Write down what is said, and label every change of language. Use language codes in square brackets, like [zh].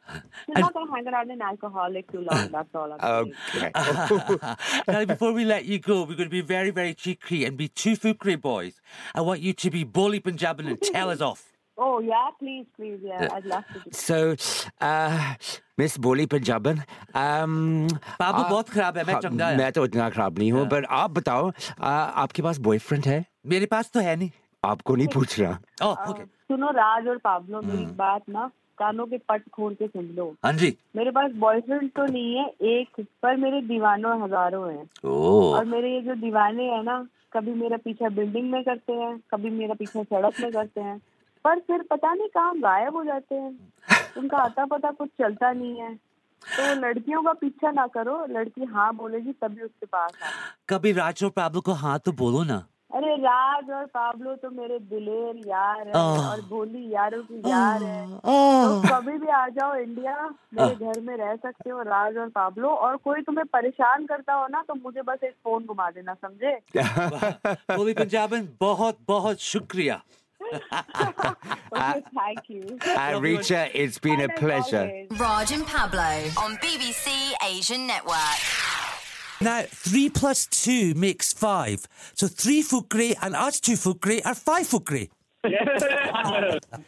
[en] He's not going to hang around an alcoholic too long. That's all I'm saying. Okay. Now, before we let you go, we're going to be very, very cheeky and be two Fukrey boys. I want you to be bully Punjabin and tell us off. Oh, yeah, please, yeah, I'd love to. So, Miss Boli Punjabin. [hi] बाबू बहुत खराब है, मैं चंगा है. Main to itna kharab nahi hoon, but aap batao, aapke paas boyfriend hai? मेरे पास तो है नहीं. Aapko nahi pooch raha. [en] Oh, okay. [hi] Suno, Raj aur Pablo, meri baat na, kaano ke pat khol ke sun lo. Haan ji. Mere paas boyfriend to nahi hai, ek, par mere diwano hazaro hai. Oh. Aur mere ye jo diwane hai na, kabhi mera peecha building mein karte hai, kabhi mera peecha sadak mein karte hai. पर फिर पता नहीं कहां गायब हो जाते हैं उनका आता पता कुछ चलता नहीं है तो लड़कियों का पीछा ना करो लड़की हां बोलेगी तभी उसके पास आ कभी राज और पाब्लो को हां तो बोलो ना अरे राज और पाब्लो तो मेरे दिलेर यार हैं और भोली यारों की यार हैं तो कभी भी आ जाओ इंडिया मेरे घर में रह सकते हो राज और पाब्लो और कोई तुम्हें परेशान करता हो ना तो मुझे बस एक फोन घुमा देना समझे बोली पंजाबन बहुत बहुत शुक्रिया [en] Okay, thank you. Richa, it's been a pleasure. Raj and Pablo on BBC Asian Network. Now, 3 + 2 makes 5. So 3 Fukrey and us 2 Fukrey are 5 Fukrey. Yes.